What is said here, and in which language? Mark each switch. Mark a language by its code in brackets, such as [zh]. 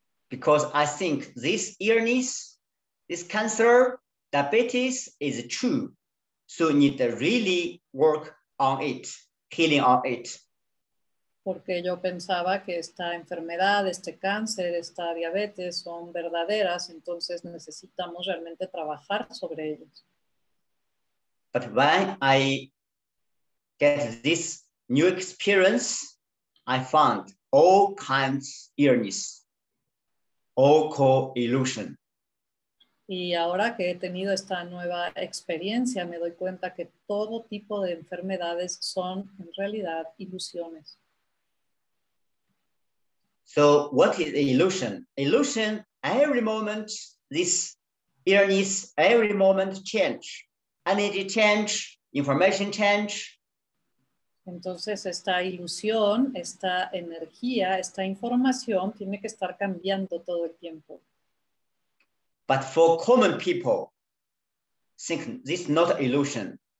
[en] Because I think this illness, this cancer, diabetes is true. So you need to really work on it, healing on it. [es] Porque yo pensaba que esta enfermedad, este cáncer, esta diabetes son verdaderas, entonces necesitamos realmente trabajar sobre ellos. [en] But when I get this new experience, I found all kinds of illness, all called illusion. [es] Y ahora que he tenido esta nueva experiencia, me doy cuenta que todo tipo de enfermedades son en realidad ilusiones. [en] So, what is illusion? Illusion, every moment, this illness, every moment change. Energy change, information change. [es] Entonces, esta ilusión, esta energía, esta información tiene que estar cambiando todo el tiempo. [en] But for common people, think this is not an illusion.